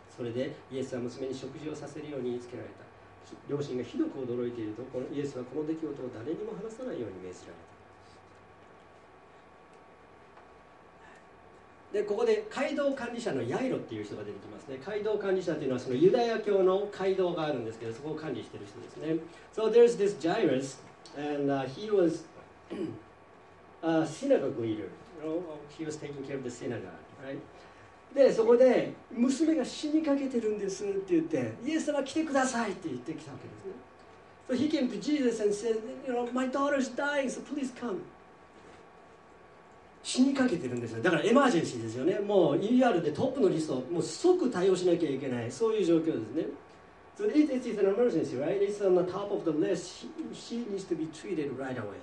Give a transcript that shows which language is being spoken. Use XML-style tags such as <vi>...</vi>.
<ja>それでイエスは娘に食事をさせるように言いつけられた。両親がひどく驚いていると、このイエスはこの出来事を誰にも話さないように命じられた。でここで街道管理者のヤイロっていう人が出てきますね。街道管理者というのはそのユダヤ教の街道があるんですけど、そこを管理している人ですね。</ja> <en>So there's this Jairus and he was a synagogue leader. You know, he was taking care of the synagogue, right?</en> <ja>でそこで娘が死にかけてるんですって言って、イエス様来てくださいって言ってきたわけですね。</ja> <en>So he came to Jesus and said, you know, my daughter's dying, so please come.</en> <ja>死にかけてるんですよ。だからエマージェンシーですよね。もう ER でトップのリスト、もう即対応しなきゃいけない、そういう状況ですね。</ja> <en>So it's an emergency, right? It's on the top of the list. She needs to be treated right away.</en>